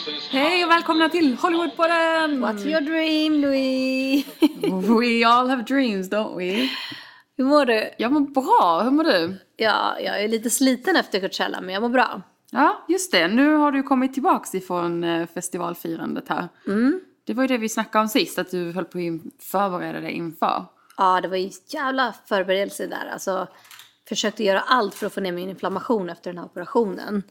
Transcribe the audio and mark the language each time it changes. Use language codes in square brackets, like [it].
[sv] Hej och välkomna till Hollywoodpodden! [en] What's your dream, Louis? We all have dreams, don't we? [sv] Hur mår du? Jag mår bra, hur mår du? Ja, jag är lite sliten efter Coachella, men jag mår bra. Ja, just det. Nu har du kommit tillbaka ifrån festivalfirandet här. Mm. Det var ju det vi snackade om sist, att du höll på att förbereda dig inför. Ja, det var ju jävla förberedelse där. Alltså, försökte göra allt för att få ner min inflammation efter den här operationen.